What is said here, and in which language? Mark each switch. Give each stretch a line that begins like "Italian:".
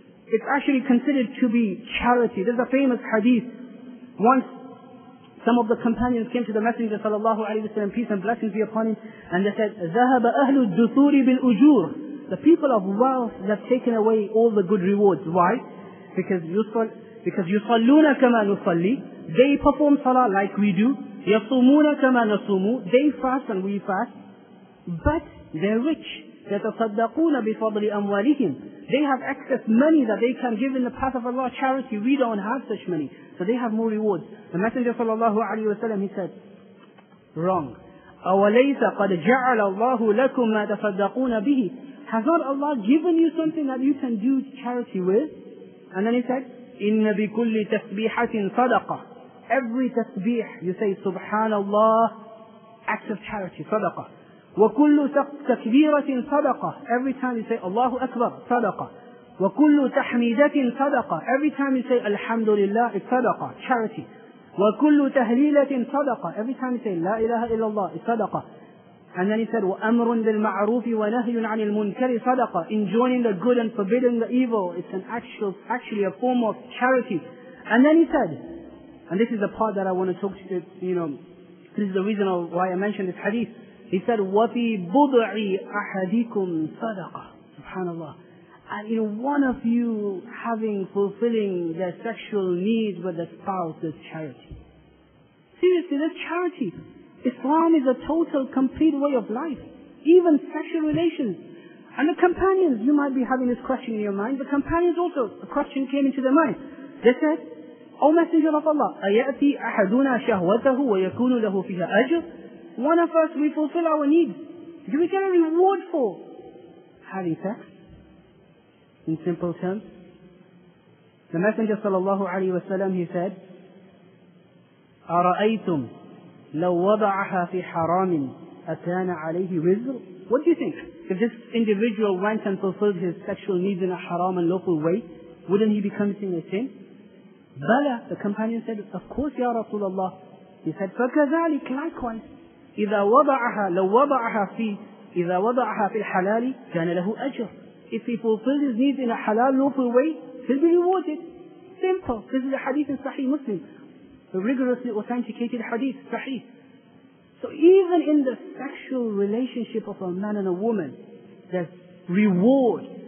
English: It's actually considered to be charity. There's a famous hadith. Once some of the companions came to the Messenger sallallahu alayhi wa sallam, peace and blessings be upon him, and they said,
Arabic: ذَهَبَ أَهْلُ الدُّثُورِ بِالْأُجُورِ.
English: The people of wealth have taken away all the good rewards. Why? Because
Arabic: يُصَلُّونَ كَمَا نُصَلِّي.
English: They perform salah like we do.
Arabic: يَصُومُونَ كَمَا نَصُومُ.
English: They fast and we fast. But they're rich.
Arabic: يَتَصَدَّقُونَ بِفَضْلِ أَمْوَالِهِمْ.
English: They have excess money that they can give in the path of Allah, charity. We don't have such money. So they have more rewards. The Messenger sallallahu alayhi wa sallam, he said, wrong.
Arabic: أَوَلَيْسَ قَدْ جَعَلَ اللَّهُ لَكُمْ مَا تَصَدَّقُونَ بِهِ
English: Has not Allah given you something that you can do charity with? And then he said,
Arabic: إِنَّ بِكُلِّ تَسْبِيحَةٍ صَدَقَةٍ.
English: Every tasbih, you say, Subhanallah, act of charity, sadaqah.
Arabic: وَكُلُّ تَكْبِيرَةٍ صَدَقَةٍ.
English: Every time you say, Allahu Akbar, sadaqah.
Arabic: وَكُلُّ تَحْمِيدَةٍ صَدَقَةٍ.
English: Every time you say, Alhamdulillah, it's sadaqah, charity.
Arabic: وَكُلُّ تَهْلِيلَةٍ صَدَقَةٍ.
English: Every time you say, La ilaha illallah, it's sadaqah. And then he said,
Arabic: وَأَمْرٌ لِلْمَعْرُوفِ وَنَهْيٌ عَنِ الْمُنْكَرِ صَدَقَةٍ.
English: Enjoining the good and forbidding the evil. It's an actually a form of charity. And then he said, and this is the part that I want to talk to you, you know, this is the reason why I mentioned this hadith. He said,
Arabic: وَفِي بُضْعِ أَحَدِكُمْ صَدَقَةٍ. Subhanallah.
English: And you know, one of you having fulfilling their sexual needs with the spouse is charity. Seriously, that's charity. Islam is a total, complete way of life. Even sexual relations. And the companions, you might be having this question in your mind. The companions also, a question came into their mind. They said, O Messenger of Allah,
Arabic: أَيَأْتِي أَحَدُنَا شَهْوَتَهُ وَيَكُونُ لَهُ فِيهَا أَجْرٌ.
English: One of us, we fulfill our needs. Do we get a reward for having sex? In simple terms, the Messenger sallallahu alayhi wa sallam, he said,
Arabic: أَرَأَيْتُمْ لَوْ وَضَعَهَا فِي حَرَامٍ أَتَانَ عَلَيْهِ وِزْرٌ.
English: What do you think? If this individual went and fulfilled his sexual needs in a haram and lawful way, wouldn't he be committing a sin?
Arabic: بَلَى.
English: The companion said, of course, Ya Rasulullah. He said,
Arabic: فَكَذَلِكَ.
English: Likewise,
Arabic: إِذَا وَضَعَهَا لَوْ وَضَعَهَا فِي إِذَا وَضَعَهَا فِي الْحَلَالِ كَانَ لَهُ أَجْرٌ.
English: If he fulfills his needs in a halal, lawful way, he'll be rewarded. Simple. This is a hadith in Sahih Muslim. A rigorously authenticated hadith, Sahih. So even in the sexual relationship of a man and a woman, there's reward.